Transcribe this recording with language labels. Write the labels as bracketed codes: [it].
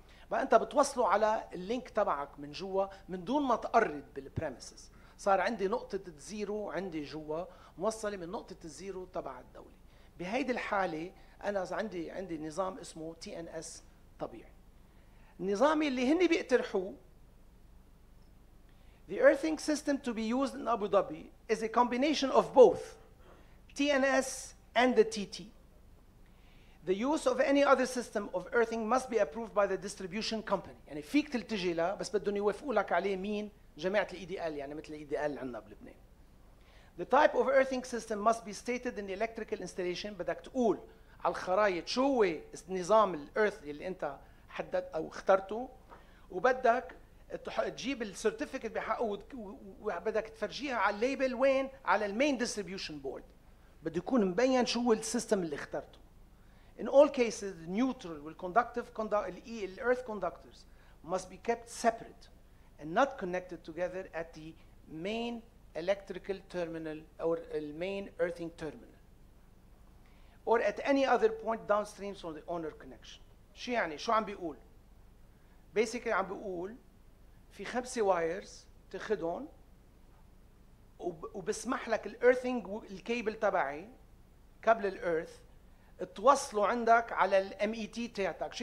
[ar] بقى انت بتوصله على اللينك تبعك من جوا من دون ما تقرض بالبريمسز. صار عندي نقطه الزيرو عندي جوا موصله من نقطه الزيرو تبع الدوله. بهيدي الحاله انا عندي نظام اسمه تي ان اس طبيعي. النظام اللي هني بيقترحوه [en] the earthing system to be used in Abu Dhabi is a combination of both TNS and the TT. The use of any other system of earthing must be approved by the distribution company. [ar] يعني فيك تلتجي له بس بدهم يوافقوا لك عليه مين؟ جماعة الـ EDL يعني مثل الـ EDL عندنا بلبنان. [en] The type of earthing system must be stated in the electrical installation. [ar] بدك تقول على الخرائط شو هو نظام الـ earth اللي انت حدد او اخترته وبدك تجيب السيرتيفيكت بحقه وبدك تفرجيها على الليبل وين على المين ديستريبيوشن بورد. بده يكون مبين شو هو السيستم اللي اخترته. [en] In all cases, the neutral will conductive conduct the earth conductors must be kept separate and not connected together at the main electrical terminal or main earthing terminal or at any other point downstream from the owner connection. [ar] شو يعني؟ شو عم بيقول؟ Basically عم بيقول في خمسة wires تاخذهم وبسمح لك الايرثينج الكيبل تبعي كابل الايرث توصله عندك على الام اي تي تاعتك.